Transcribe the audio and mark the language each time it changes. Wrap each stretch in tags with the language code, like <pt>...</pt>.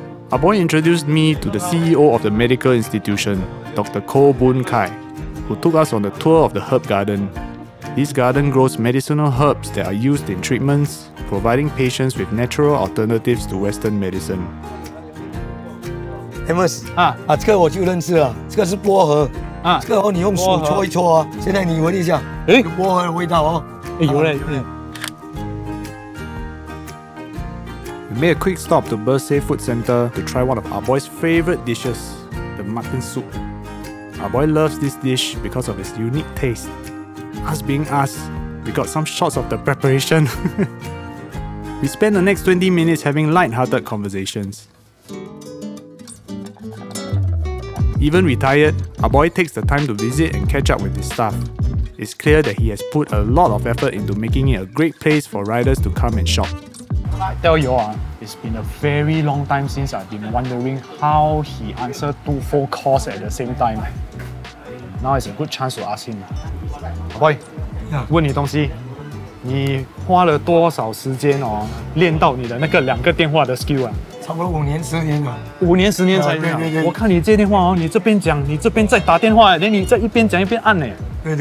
<en>Ah Boy introduced me to the CEO of the medical institution, Dr. Koh Boon Kai, who took us on the tour of the herb garden. This garden grows medicinal herbs that are used in treatments, providing patients with natural alternatives to Western medicine.</en> <zh>Amos, 这个我就认识了，这个是薄荷。啊，这个哦，你用手搓一搓啊！现在你闻一下，哎，薄荷的味道哦，哎，有嘞，嗯。</zh> <en>We made a quick stop to Bursay Food Center to try one of Ah Boy's favorite dishes, the mutton soup. Ah Boy loves this dish because of its unique taste. Us being us, we got some shots of the preparation. We spend the next 20 minutes having light-hearted conversations. Even retired, Ah Boy takes the time to visit and catch up with his staff. It's clear that he has put a lot of effort into making it a great place for riders to come and shop. I tell you all, it's been a very long time since I've been wondering how he answered two phone calls at the same time. Now is a good chance to ask him. Ah Boy, yeah.</en> <zh>问你东西，你花了多少时间哦，练到你的那个两个电话的 skill 啊？差不多5年10年了， 5年10年才这样。我看你接电话哦，你这边讲，你这边在打电话，连你在一边讲一边按呢。对，</zh>